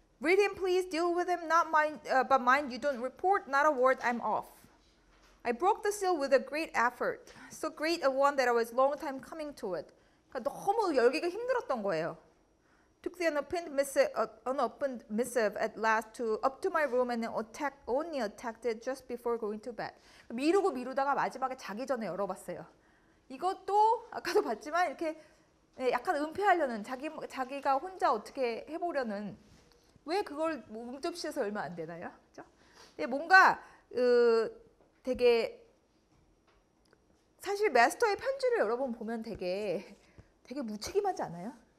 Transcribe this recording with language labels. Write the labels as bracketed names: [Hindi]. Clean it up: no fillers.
[English] Read him please, deal with him, not mind, but mind you don't report, not a word, I'm off. I broke the seal with a great effort, so great a one that I was long time coming to it. [Korean] 그러니까 너무 열기가 힘들었던 거예요. [English] Took the unopened missive at last to up to my room and only attacked it just before going to bed. [Korean] 미루고 미루다가 마지막에 자기 전에 열어봤어요. 이것도 아까도 봤지만 이렇게 약간 은폐하려는 자기가 혼자 어떻게 해보려는 왜 그걸 몸접시해서 얼마 안 되나요? 그렇죠? 근데 뭔가 되게 사실 마스터의 편지를 여러분 보면 되게 무책임하지 않아요?